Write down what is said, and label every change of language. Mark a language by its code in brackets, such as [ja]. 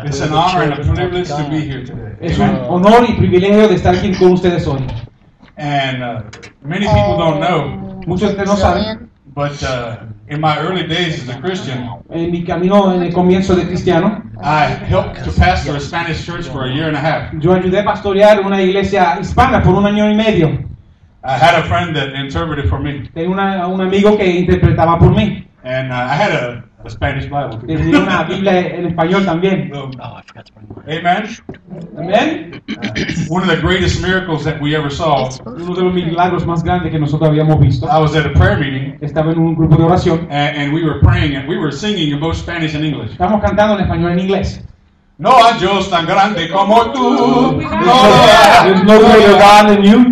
[en] it's an honor and a privilege to be here today. [es] Es un honor y privilegio de estar aquí con ustedes hoy. [en] And many people don't know. [es] Muchos de no saben. [en] But in my early days as a Christian, [es] en mi camino en el comienzo de cristiano, [en] I helped to pastor a Spanish church for a year and a half. [es] Yo ayudé a pastorear una iglesia hispana por un año y medio. [en] I had a friend that interpreted for me. [es] Tenía un amigo que interpretaba por mí. [en] And I had a Spanish Bible. [es] Tenía una Biblia en español también. Amen. Amen. [en] One of the greatest miracles that we ever saw. [es] Uno de los milagros más grandes que nosotros habíamos visto. [en] I was at a prayer meeting. [es] Estaba en un grupo de oración. [en] And we were praying and we were singing in both Spanish and English. [es] Estamos cantando en español y en inglés. No hay Dios tan grande como tú. No, [en] no, there is no greater God than you.